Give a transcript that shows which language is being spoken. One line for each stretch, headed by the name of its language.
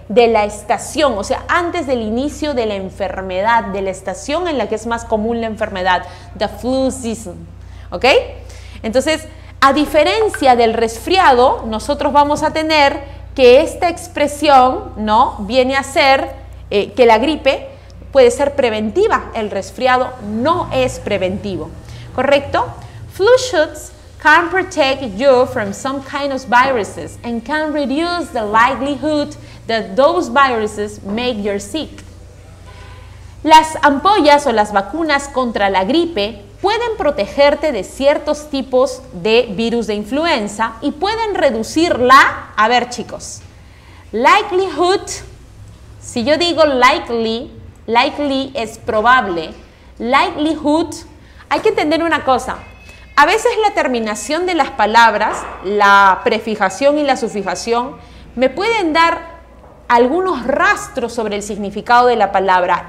Spanish: De la estación, o sea, antes del inicio de la enfermedad, de la estación en la que es más común la enfermedad, the flu season, ¿ok? Entonces, a diferencia del resfriado, nosotros vamos a tener que esta expresión, ¿no? Viene a ser que la gripe puede ser preventiva, el resfriado no es preventivo, ¿correcto?
English: Flu shots can protect you from some kind of viruses and can reduce the likelihood that those viruses make you sick.
Spanish: Las ampollas o las vacunas contra la gripe pueden protegerte de ciertos tipos de virus de influenza y pueden reducir la, a ver chicos, likelihood, si yo digo likely, likely es probable, likelihood, hay que entender una cosa, a veces la terminación de las palabras, la prefijación y la sufijación, me pueden dar algunos rastros sobre el significado de la palabra.